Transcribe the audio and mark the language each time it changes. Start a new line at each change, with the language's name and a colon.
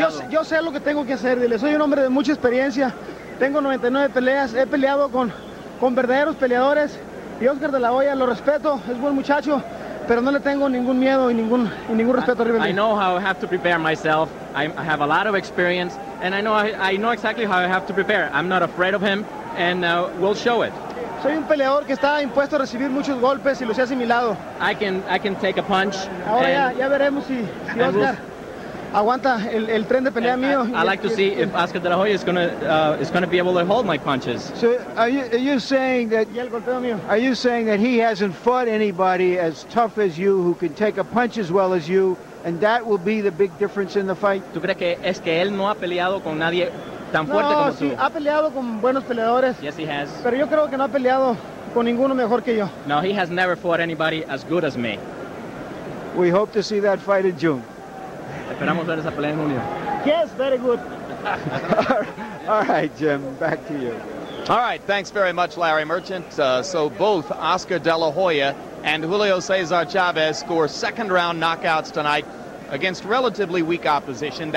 Spanish: Yo sé lo que tengo que hacer, dile. Soy un hombre de mucha experiencia. Tengo 99 peleas. He peleado con verdaderos peleadores. Y Oscar de la Hoya, lo respeto. Es buen muchacho. Pero no le tengo ningún miedo y ningún respeto.
English: I know how I have to prepare myself. I have a lot of experience. And I know exactly how I have to prepare. I'm not afraid of him. And we'll show it.
Spanish: Soy un peleador que está impuesto a recibir muchos golpes y lo sé asimilado.
English: I can take a punch.
Spanish: Ahora ya veremos si Oscar... aguanta el tren de pelea mío.
English: I like to see if Oscar De La Hoya is gonna be able to hold my punches. So are you saying that he hasn't fought anybody as tough as you who can take a punch as well as you, and that will be the big difference in the fight?
Spanish: ¿Tú crees que es que él no ha peleado con nadie tan fuerte no, como sí, tú? No, sí, ha peleado con buenos peleadores.
English: Yes, he has.
Spanish: Pero yo creo que no ha peleado con ninguno mejor que yo.
English: No, he has never fought anybody as good as me. We hope to see that fight in June.
Spanish: Esperamos ver esa pelea en junio.
English: Yes, very good. All right, Jim, back to you. All right, thanks very much, Larry Merchant. So both Oscar De La Hoya and Julio Cesar Chavez score second round knockouts tonight against relatively weak opposition.